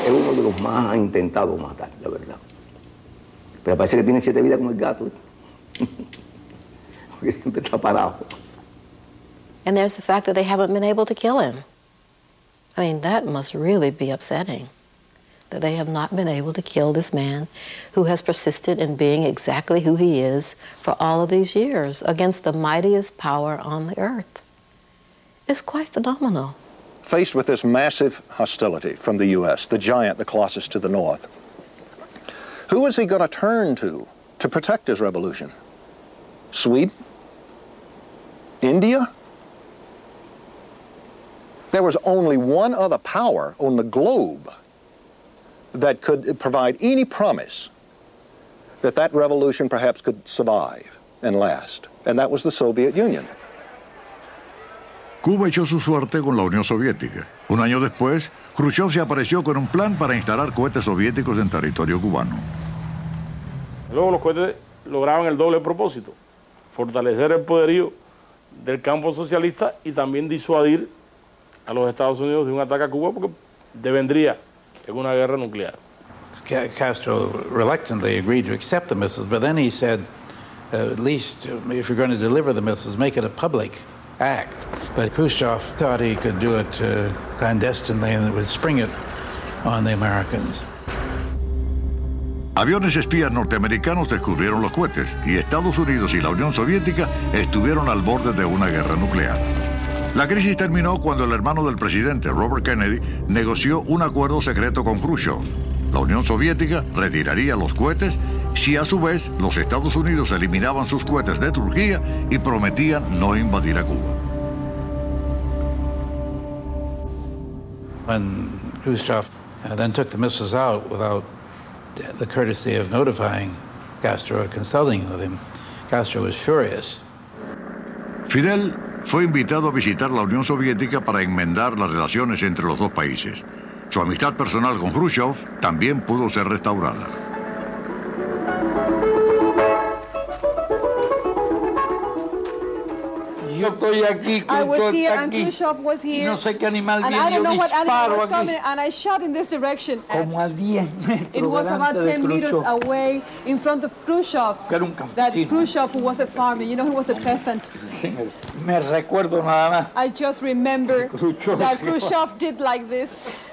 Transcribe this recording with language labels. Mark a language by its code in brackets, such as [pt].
[es] Es uno de los más ha intentado matar, la verdad. Pero parece que tiene siete vidas como el gato. Porque siempre está parado. [en] And there's the fact that they haven't been able to kill him. I mean, that must really be upsetting, that they have not been able to kill this man who has persisted in being exactly who he is for all of these years against the mightiest power on the earth. It's quite phenomenal. Faced with this massive hostility from the U.S., the giant, the Colossus to the north, who is he going to turn to protect his revolution? Sweden? India? There was only one other power on the globe that could provide any promise that that revolution perhaps could survive and last, and that was the Soviet Union. [es] Cuba echó su suerte con la Unión Soviética. Un año después, Khrushchev se apareció con un plan para instalar cohetes soviéticos en territorio cubano. Luego los cohetes lograban el doble propósito: fortalecer el poderío del campo socialista y también disuadir a los Estados Unidos de un ataque a Cuba, porque devendría en una guerra nuclear. [en] Castro reluctantly agreed to accept the missiles, but then he said, at least if you're going to deliver the missiles, make it a public act. But Khrushchev thought he could do it clandestinely and it would spring it on the Americans. [es] Aviones espías norteamericanos descubrieron los cohetes y Estados Unidos y la Unión Soviética estuvieron al borde de una guerra nuclear. La crisis terminó cuando el hermano del presidente, Robert Kennedy, negoció un acuerdo secreto con Khrushchev. La Unión Soviética retiraría los cohetes si a su vez los Estados Unidos eliminaban sus cohetes de Turquía y prometían no invadir a Cuba. [en] When Khrushchev then took the missiles out without the courtesy of notifying Castro or consulting with him, Castro was furious. [es] Fidel fue invitado a visitar la Unión Soviética para enmendar las relaciones entre los dos países. Su amistad personal con Khrushchev también pudo ser restaurada. Yo estoy aquí, Khrushchev no sé qué animal viene, yo disparo aquí. [en] And I don't know what animal was coming, and I shot in this direction. [es] Como a 10 metros delante de Khrushchev. [en] It was about 10 meters away in front of Khrushchev. [es] Que era un campesino. [en] That Khrushchev was a farmer, you know, he was a peasant. [es] Sí, me recuerdo nada más. [en] I just remember that Khrushchev did like this.